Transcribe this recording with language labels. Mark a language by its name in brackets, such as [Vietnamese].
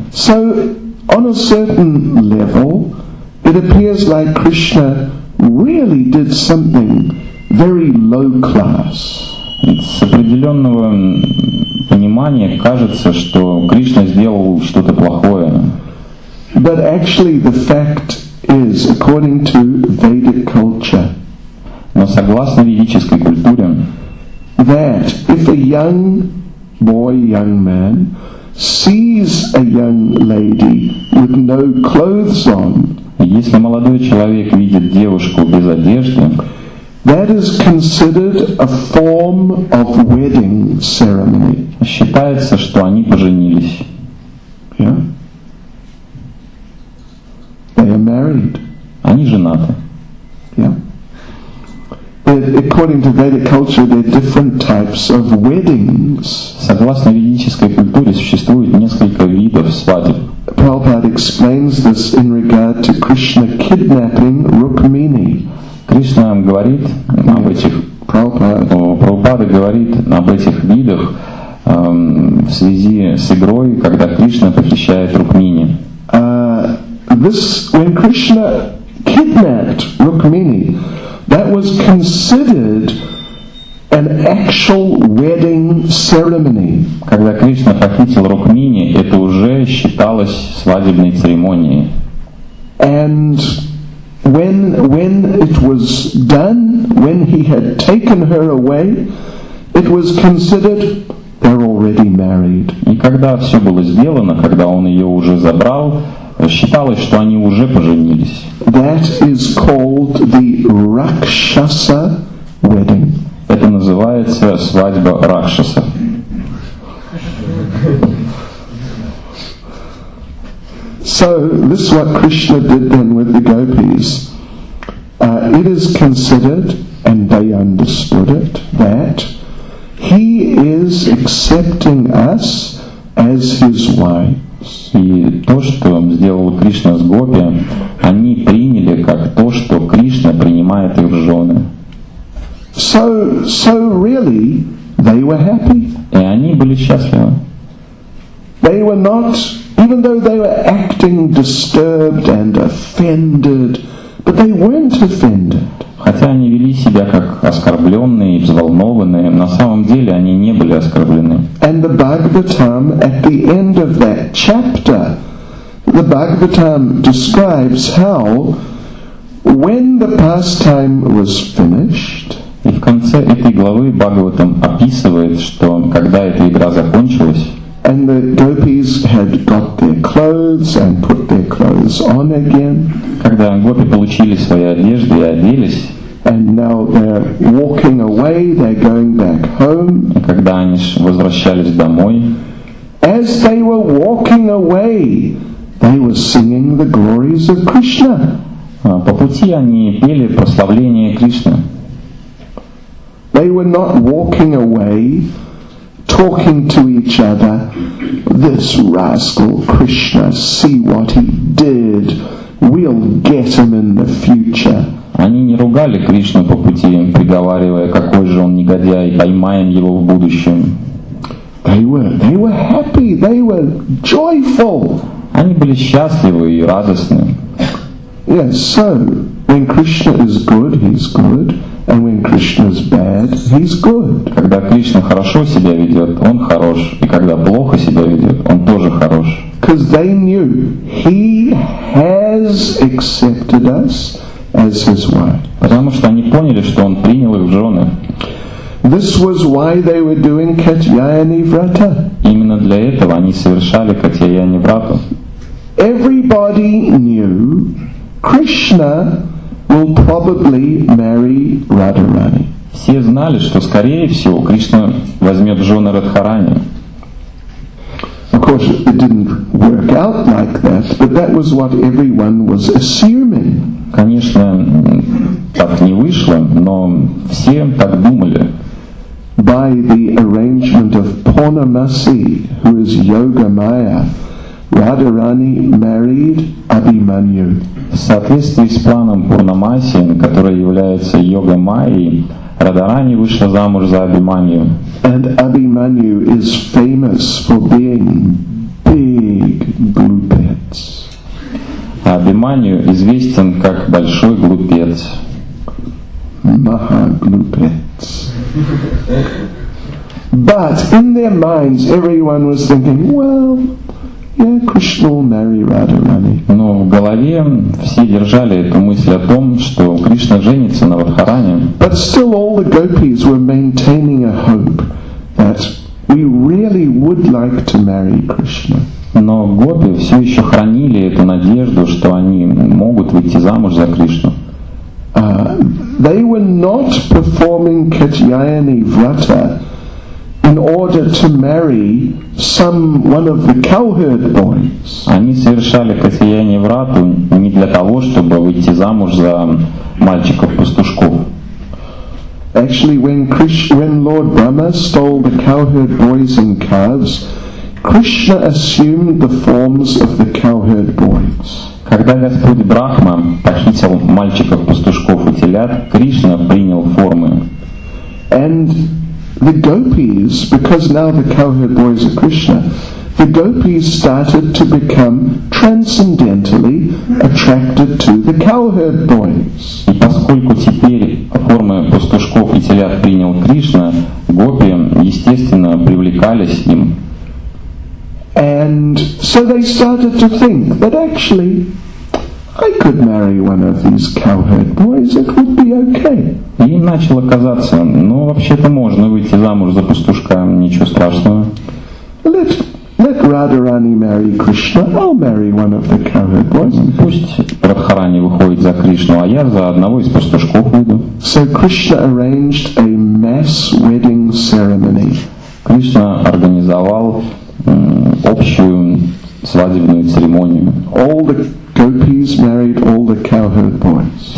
[English] So on a certain level, it appears like Krishna really did something very low class. [Russian] с определенного понимания кажется, что Кришна сделал что-то плохое. [English] But actually the fact is, according to Vedic culture, [Russian] но согласно ведической культуре, [English] that if a young boy, young man, sees a young lady with no clothes on, [Russian] если молодой человек видит девушку без одежды, [English] that is considered a form of wedding ceremony. [Russian] Считается, что они поженились. [English] Yeah? They are married. [Russian] Они женаты. [English] Yeah? According to Vedic culture, there are different types of weddings. [Russian] Согласно ведической культуре существует несколько видов свадеб. [English] Prabhupada explains this in regard to Krishna kidnapping Rukmini. [Russian] Кришна говорит об этих, Прабхупада говорит об этих видах в связи с игрой, когда Кришна похищает Рукмини. [English] When Krishna kidnapped Rukmini, that was considered an actual wedding ceremony. [Russian] Когда Кришна похитил Рукмини, это уже считалось свадебной церемонией. [English] And when it was done, when he had taken her away, it was considered they're already married. [Russian] И когда все было сделано, когда он ее уже забрал, считалось, что они уже поженились. [English] That is called the Rakshasa wedding. [Russian] Это называется свадьба Ракшаса. [English] So this is what Krishna did then with the gopis. It is considered, and they understood it, that he is accepting us as his wife. [Russian] И то, что сделал Кришна с гопи, они приняли как то, что Кришна принимает их в жены. [English] So really, they were happy. [Russian] И они были счастливы. [English] They were not, even though they were acting disturbed and offended, but they weren't offended. [Russian] Хотя они вели себя как оскорбленные и взволнованные, на самом деле они не были оскорблены. [English] And the Bhagavatam, at the end of that chapter, the Bhagavatam describes how, when the pastime was finished, [Russian] и в конце этой главы Бхагаватам описывает, что когда эта игра закончилась, [English] and the gopis had got their clothes and put their clothes on again, [Russian] когда гопи получили свои одежды и оделись, [English] and now they're walking away, they're going back home. [Russian] И когда они возвращались домой, [English] as they were walking away, they were singing the glories of Krishna. [Russian] По пути они пели прославление Кришны. [English] They were not walking away, talking to each other, this rascal Krishna, see what he did, we'll get him in the future. [Russian] Они не ругали Кришну по пути, приговаривая, какой же он негодяй, поймаем его в будущем. [English] They were happy, they were joyful. [Russian] Они были счастливы и радостны. [English] Yes, so, when Krishna is good, he's good, and when Krishna is bad, he's good. [Russian] Когда Кришна хорошо себя ведет, он хорош, и когда плохо себя ведет, он тоже хорош. [English] Because they knew, he has accepted us as his wife. [Russian] Потому что они поняли, что он принял их в жены. [English] This was why they were doing Katyayani Vrata. [Russian] Именно для этого они совершали Катьяяни Врату. [English] Everybody knew Krishna will probably marry Radharani. [Russian] Все знали, что скорее всего Кришна возьмет в жены Радхарани. [English] Of course, it didn't work out like that, but that was what everyone was assuming. [Russian] Конечно, так не вышло, но все так думали. [English] By the arrangement of Purnamasi, who is Yogamaya, Radharani married Abhimanyu. [Russian] В соответствии с планом Пурнамаси, который является Йогамайей, Радхарани вышла замуж за Абхиманью. [English] And Abhimanyu is famous for being big glupets. [Russian] А Абхиманью известен как большой глупец. Маха-глупец. [English] But in their minds, everyone was thinking, well, yeah, Krishna will marry Radharani. [Russian] Но в голове все держали эту мысль о том, что Кришна женится на Радхаране. [English] But still, all the gopis were maintaining a hope that we really would like to marry Krishna. [Russian] Но гопи все еще хранили эту надежду, что они могут выйти замуж за Кришну. [English] They were not performing Katyayani Vrata in order to marry some one of the cowherd boys. [Russian] Они совершали Катьяяни Врату не для того, чтобы выйти замуж за мальчиков-пастушков. [English] Actually, when Lord Brahma stole the cowherd boys and calves, Krishna assumed the forms of the cowherd boys. [Russian] Когда Господь Брахма похитил мальчиков-пастушков и телят, Кришна принял формы. [English] And the gopis, because now the cowherd boys are Krishna, the gopis started to become transcendentally attracted to the cowherd boys. [Russian] И поскольку теперь формы пастушков и телят принял Кришна, гопи, естественно, привлекались к ним. [English] And so they started to think that actually I could marry one of these cowherd boys, it would be okay. [Russian] И начало казаться, ну вообще-то можно выйти замуж за пастушка, ничего страшного. [English] Let Radharani marry Krishna, I'll marry one of the cowherd boys. [Russian] Пусть Радхарани выходит за Кришну, а я за одного из пастушков выйду. [English] So Krishna arranged a mass wedding ceremony. [Russian] Кришна организовал общую свадебную церемонию. [English] All the gopis married all the cowherd boys.